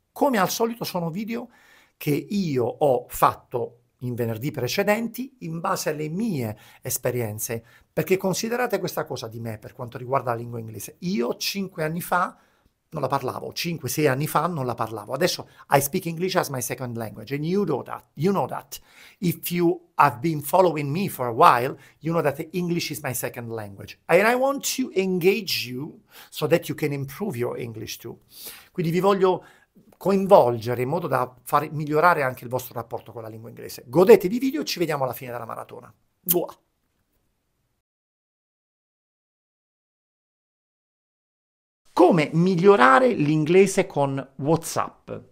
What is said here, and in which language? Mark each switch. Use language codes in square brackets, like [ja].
[it] Come al solito sono video che io ho fatto in venerdì precedenti in base alle mie esperienze, perché considerate questa cosa di me per quanto riguarda la lingua inglese. Io 5 anni fa non la parlavo, 5-6 anni fa non la parlavo. Adesso [en] I speak English as my second language and you know that. You know that. If you have been following me for a while, you know that English is my second language. And I want to engage you so that you can improve your English too. [it] Quindi vi voglio coinvolgere in modo da far migliorare anche il vostro rapporto con la lingua inglese. Godetevi i video e ci vediamo alla fine della maratona. Buah. Come migliorare l'inglese con WhatsApp?